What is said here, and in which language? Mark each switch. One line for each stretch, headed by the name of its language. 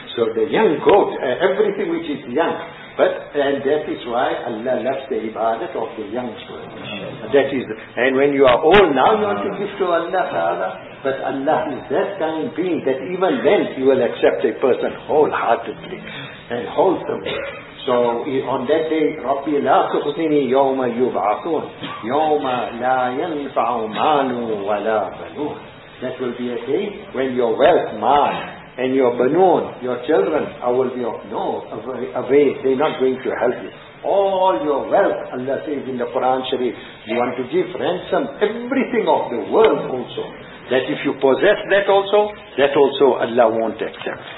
English: So the young goat, everything which is young. But, and that is why Allah loves the ibadat of the young person. That is, and when you are old, now you want to give to Allah Ta'ala. But Allah is that kind of being that even then He will accept a person wholeheartedly and wholesomely. So on that day,
Arabic: رَبِّي لَا تُخْزِنِي يَوْمَ يُبْعَثُونَ يَوْمَ لَا يَنْفَعُ مَالٌ وَلَا بَنُونَ.
English: That will be a day when your wealth, man, and your banoon, your children, I will be of no avail. They're not going to help you. All your wealth, Allah says in the Quran Sharif, you want to give ransom, everything of the world also. That if you possess that also Allah won't accept.